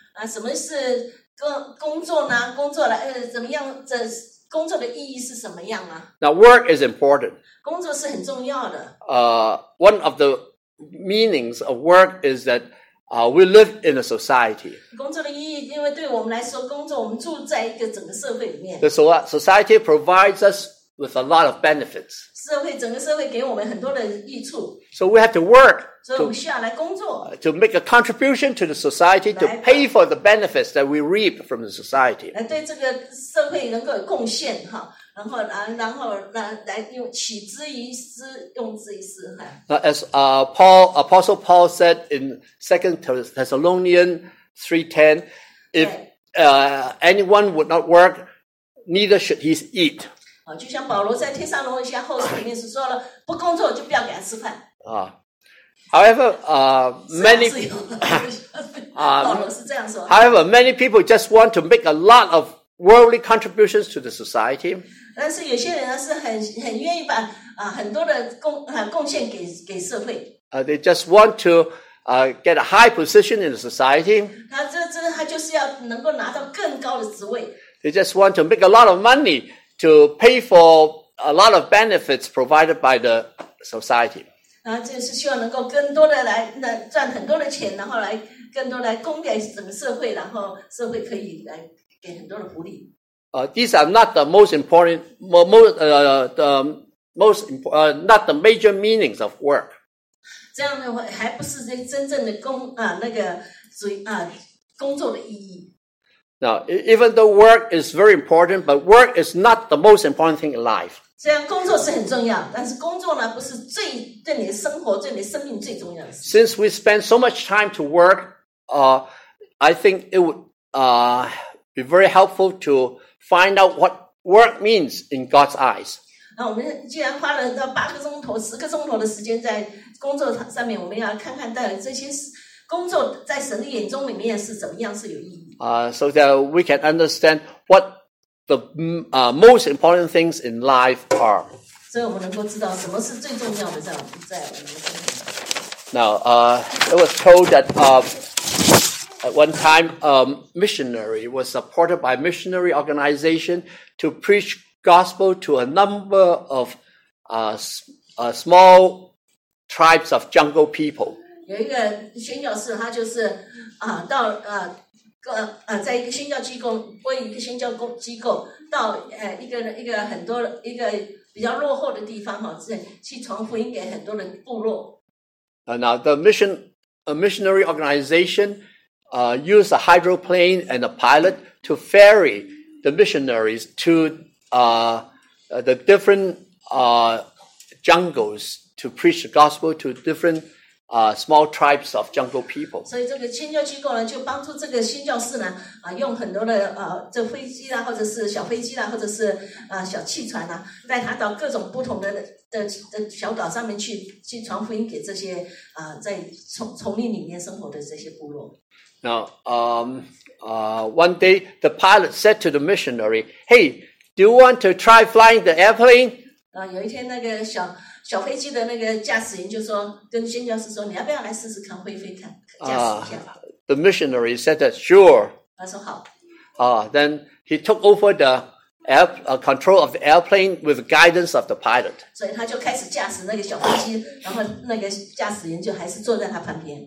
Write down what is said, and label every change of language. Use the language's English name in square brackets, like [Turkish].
[Chinese] 什么是工作呢？工作来怎么样？这工作的意义是什么样啊 [English] ？Now, work is important. [Chinese] 工作是很重要的。 [English] One of the meanings of work is that we live in a society. [Chinese] 工作的意义，因为对我们来说，工作我们住在一个整个社会里面。 [English] The society provides us with a lot of benefits. [Chinese] 整个社会给我们很多的益处。 [English] So we have to work. [Chinese] 所以我们需要来工作。 [English] To make a contribution to the society, to pay for the benefits that we reap from the society. [Chinese] 来对这个社会能够有贡献哈。然后来用取之于私，用之于私。 [English] As Apostle Paul said in 2 Thessalonians 3:10, if anyone would not work, neither should he eat. [Chinese] 就像保罗在帖撒罗尼迦后书里面是说了，不工作就不要给他吃饭。 [English] However, many however, many people just want to make a lot of worldly contributions to the society. [Chinese] 但是有些人是 很愿意把、很多的 贡献 给社会。 [English] They just want to、get a high position in the society. [Chinese] 他就是要能够拿到更高的职位。 [English] They just want to make a lot of money to pay for a lot of benefits provided by the society. [Chinese] 就是希望能够更多的来赚很多的钱，然后来更多来供给整个社会，然后社会可以来给很多的福利。 [English] These are not the most important, not the major meanings of work. [Chinese] 这样的话还不是真正的工啊那个属于啊工作的意义。 [English] Now, even though work is very important, but work is not the most important thing in life. [Chinese] 虽然工作是很重要，但是工作呢不是最对你的生活、对你的生命最重要的事。 [English] Since we spend so much time to work, I think it would be very helpful to. Find out what work means in God's eyes. [Chinese] 那我们既然花了到八个钟头、十个钟头的时间在工作上面，我们要看看到底这些工作在神的眼中里面是怎么样是有意义。 [English] So that we can understand what the most important things in life are. [Chinese] 所以我们能够知道什么是最重要的在我们的生活。 [English] Now, it was told that. At one time, a missionary was supported by a missionary organization to preach gospel to a number of small tribes of jungle people. [Chinese] 有一个宣教士，他就是到在一个宣教机构，为一个宣教机构到一个很多一个比较落后的地方哈，是去传福音给很多的部落。 [English] Now the missionary organization. Use a hydroplane and a pilot to ferry the missionaries to the different jungles to preach the gospel to different small tribes of jungle people. So this [Chinese] 宣教机构呢就帮助这个宣教士呢用很多的这飞机啦，或者是小飞机啦，或者是小汽船啦，带他到各种不同的小岛上面去传福音给这些在丛林里面生活的这些部落。 [English] Now, one day, the pilot said to the missionary, "Hey, do you want to try flying the airplane?" [Chinese] 有一天那个小飞机的那个驾驶员就说，跟宣教士说，你要不要来试试看，驾驶一下。 [English] The missionary said that sure. [Chinese] 他说好。 [English] Then he took over the control of the airplane with guidance of the pilot. [Chinese] 所以他就开始驾驶那个小飞机，然后那个驾驶员就还是坐在他旁边。